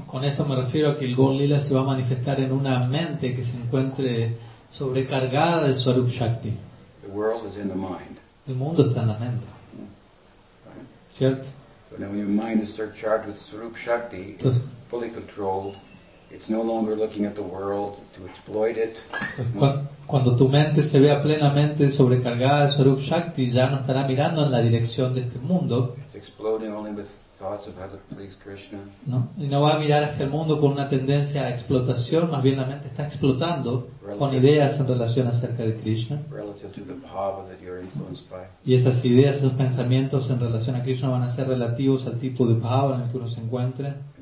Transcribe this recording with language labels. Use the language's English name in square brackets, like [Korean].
[Spanish] Con esto me refiero a que el Gaur Lila se va a manifestar en una mente que se encuentre sobrecargada de Surup Shakti. [English] The world is in the mind. [Spanish] El mundo está en la mente. [English] Right. [Spanish] ¿Cierto? [English] So now when your mind is surcharged with Surup Shakti, it's fully controlled. It's no longer looking at the world to exploit it. [Spanish] Cuando tu mente se vea plenamente sobrecargada de Surup Shakti, ya no estará mirando en la dirección de este mundo. [English] It's exploding only with thoughts of how to please Krishna. [Spanish] No, y no va a mirar hacia el mundo con una tendencia a explotación, más bien la mente está explotando [English] relative, [Spanish] con ideas en relación acerca de Krishna. [English] Relative to the bhava that you're influenced by. [Spanish] Y esas ideas, esos pensamientos en relación a Krishna van a ser relativos al tipo de bhava en el que uno se encuentre.